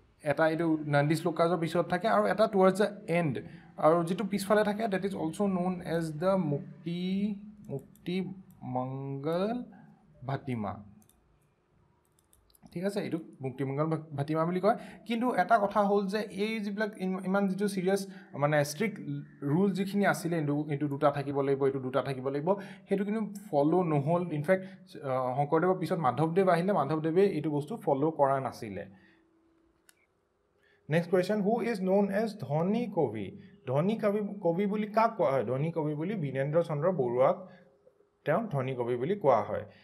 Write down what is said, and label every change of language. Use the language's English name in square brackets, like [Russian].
[Assamese] এটা এইটো নন্দী শ্লোকাজৰ পিছত থাকে আৰু এটা [English] towards the end, [Assamese] আৰু যিটো পিছফালে থাকে [English] that is also known as the Muktimangal Bhatima, [Assamese] ঠিক আছে, এইটো মুক্তিমংগল ভাটিমা বুলি কয়। কিন্তু এটা কথা হ'ল যে এই যিবিলাক ইমান যিটো ছিৰিয়াছ মানে [English] strict rule [Assamese] যিখিনি আছিলে, এইটো দুটা থাকিব লাগিব, এইটো দুটা থাকিব লাগিব, সেইটো কিন্তু ফ'ল' নহ'ল। ইনফেক্ট শংকৰদেৱৰ পিছত মাধৱদেৱ আহিলে, মাধৱদেৱে এইটো বস্তু ফ'ল' কৰা নাছিলে। [English] Next question, who is known as ধনী কবি? [Assamese] ধনী কবি কবি বুলি কাক কোৱা হয়? ধনী কবি বুলি বীৰেন্দ্ৰ চন্দ্ৰ বৰুৱাক তেওঁক ধনী কবি বুলি কোৱা হয়।